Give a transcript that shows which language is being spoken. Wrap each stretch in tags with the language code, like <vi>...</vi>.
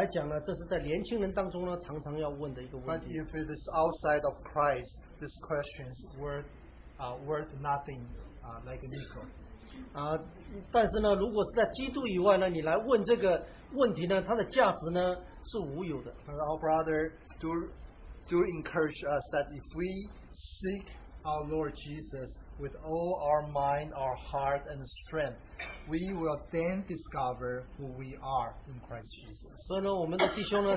<zh>这个我是谁呢？这个从这个广泛的角度里面来讲呢，这是在年轻人当中呢常常要问的一个问题。</zh> <en>But if it is outside of Christ, this question is worth nothing, like a nickel.</en> <zh>但是呢，如果是在基督以外呢，你来问这个问题呢，它的价值呢是无有的。</zh> <en>Our brother do encourage us that if we seek our Lord Jesus with all our mind, our heart, and strength, we will then discover who we are in Christ Jesus.</en>